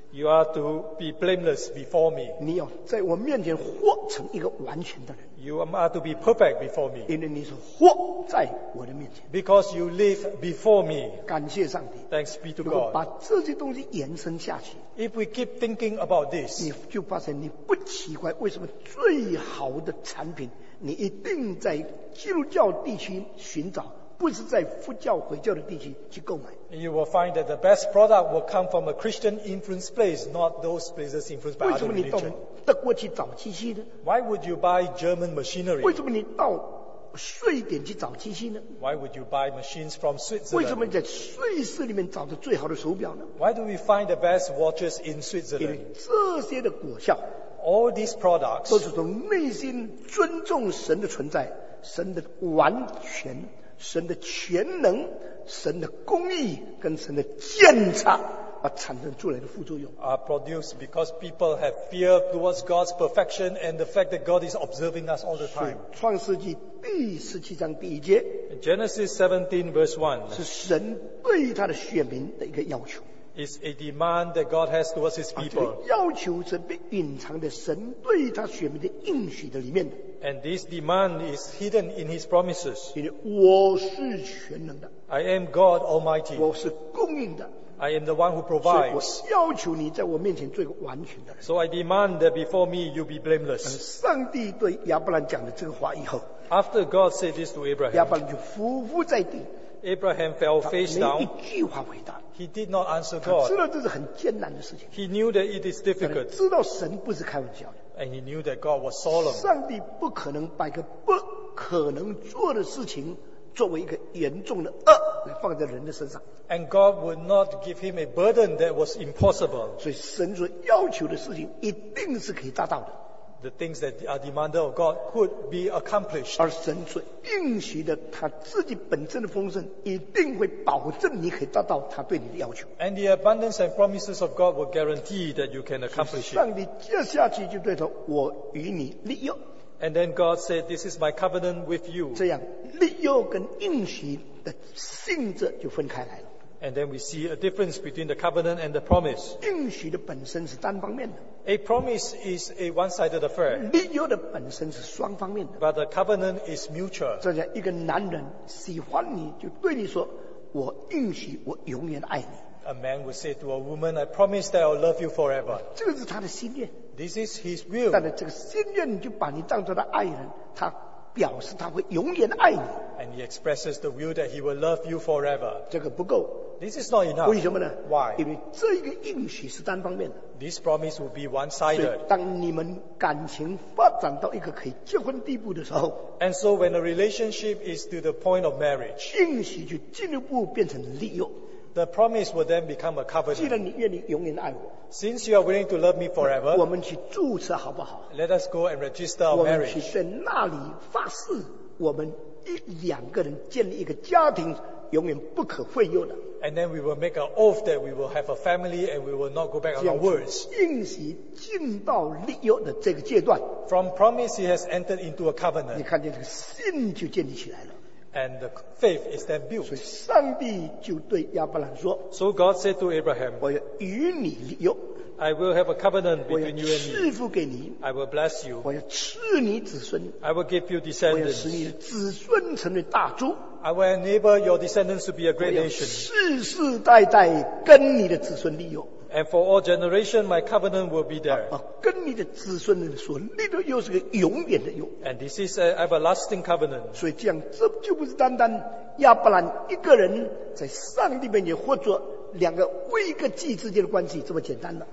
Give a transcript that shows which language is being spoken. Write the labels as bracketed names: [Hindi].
[English] You are to be blameless before me. [Chinese] 你要在我面前活成一个完全的人。 [English] You are to be perfect before me. [Chinese] 因为你是活在我的面前。 [English] Because you live before me. [Chinese] 感谢上帝。 [English] Thanks be to God. [Chinese] 如果把这些东西延伸下去， [English] If we keep thinking about this, [Chinese] 你就发现你不奇怪为什么最好的产品你一定在基督教地区寻找，不是在佛教回教的地区去购买。 [English] You will find that the best product will come from a Christian influenced place, not those places influenced by other religions. [Chinese] 为什么你到德国去找机器呢？ [English] Why would you buy German machinery? [Chinese] 为什么你到瑞典去找机器呢？ [English] Why would you buy machines from Switzerland? [Chinese] 为什么在瑞士里面找的最好的手表呢？ [English] Why do we find the best watches in Switzerland? [Chinese] 因为这些的果效， [English] All these products [Chinese] 都是从内心尊重神的存在，神的完全，神的全能，神的公义跟神的鉴察产生出来的副作用。 [English] Are produced because people have fear towards God's perfection and the fact that God is observing us all the time. [Chinese] 创世纪第十七章第一节。 [English] Genesis 17 verse 1. [Chinese] 是神对他的选民的一个要求。 [English] It's a demand that God has towards his people. [Chinese] 这个要求是被隐藏在神对他选民的应许的里面的。 [English] And this demand is hidden in his promises. [Chinese] 因为我是全能的。 [English] I am God Almighty. [Chinese] 我是供应的。 [English] I am the one who provides. [Chinese] 所以我要求你在我面前做一个完全的人。 [English] So I demand that before me you be blameless. [Chinese] 上帝对亚伯兰讲的这个话以后， [English] After God said this to Abraham, [Chinese] 亚伯兰就伏伏在地。 [English] Abraham fell face down. [Chinese] 他没一句话回答。 [English] He did not answer God. [Chinese] 他知道这是很艰难的事情。 [English] He knew that it is difficult. [Chinese] 知道神不是开玩笑的。 [English] And he knew that God was solemn. [Chinese] 上帝不可能把一个不可能做的事情作为一个严重的恶来放在人的身上。 [English] And God would not give him a burden that was impossible. [Chinese] 所以神所要求的事情一定是可以达到的。 [English] The things that are demanded of God could be accomplished. [Chinese] 而神所应许的他自己本身的丰盛一定会保证你可以达到他对你的要求。 [English] And the abundance and promises of God will guarantee that you can accomplish it. [Chinese] 上帝接下去就对他，我与你立约。 [English] And then God said, "This is my covenant with you." [Chinese] 这样立约跟应许的性质就分开来了。 [English] And then we see a difference between the covenant and the promise. [Chinese] 应许的本身是单方面的。 [English] A promise is a one-sided affair. [Chinese] 立约的本身是双方面的。 [English] But the covenant is mutual. [Chinese] 这样一个男人喜欢你，就对你说，我应许，我永远爱你。 [English] A man would say to a woman, "I promise that I'll love you forever." [Chinese] 这是他的心愿。 [English] This is his will. [Chinese] 但是这个心愿就把你当作他爱人，他表示他会永远爱你。 [English] And he expresses the will that he will love you forever. [Chinese] 这个不够。 [English] This is not enough. [Chinese] 为什么呢 [English] ？Why? [Chinese] 因为这个应许是单方面的。 [English] This promise will be one-sided. [Chinese] 所以当你们感情发展到一个可以结婚地步的时候 [English] ，And so when a relationship is to the point of marriage, [Chinese] 应许就进一步变成立约。 [English] The promise will then become a covenant. [Chinese] 既然你愿意永远爱我， [English] Since you are willing to love me forever, [Chinese] 我们去注册好不好？ [English] Let us go and register our marriage. [Chinese] 我们去在那里发誓，我们一两个人建立一个家庭，永远不可废约的。 [English] And then we will make an oath that we will have a family and we will not go back on our words. [Chinese] 应许进到立约的这个阶段， [English] From promise he has entered into a covenant. [Chinese] 你看见这个信就建立起来了。 [English] And the faith is then built. [Chinese] 所以上帝就对亚伯兰说， [English] So God said to Abraham, [Chinese] 我要与你立约， [English] I will have a covenant between you and me. [Chinese] 我要赐福给你， [English] I will bless you. [Chinese] 我要赐你子孙， [English] I will give you descendants. [Chinese] 我要使你的子孙成为大族， [English] I will enable your descendants to be a great nation. [Chinese] 我要世世代代跟你的子孙立约。 [English] And for all generations, my covenant will be there. [Chinese] 跟你的子孙人说，立的约是个永远的约。 [English] And this is an everlasting covenant. [Chinese] 所以这样，这就不是单单亚伯兰一个人在上帝面前活着，两个未个祭之间的关系这么简单了。